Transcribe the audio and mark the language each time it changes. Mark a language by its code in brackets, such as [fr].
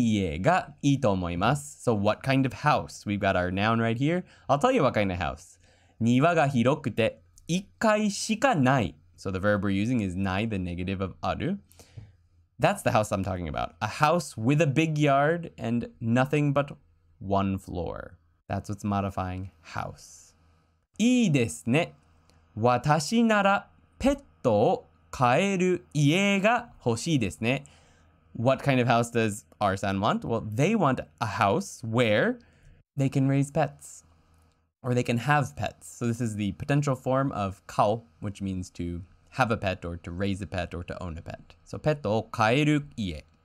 [ja] 庭が広くて1階しかない家がいいと思います. [en] So what kind of house? We've got our noun right here. I'll tell you what kind of house. [ja] 庭が広くて1階しかない. [en] So the verb we're using is ない, the negative of ある.That's the house I'm talking about. A house with a big yard and nothing but one floor. That's what's modifying house. [ja] いいですね. 私ならペットを飼える家が欲しいですね。 [en] What kind of house does R-san want? Well, they want a house where they can raise pets. Or they can have pets. So this is the potential form of 飼, which means to have a pet or to raise a pet or to own a pet. So [ja] ペットを飼える家,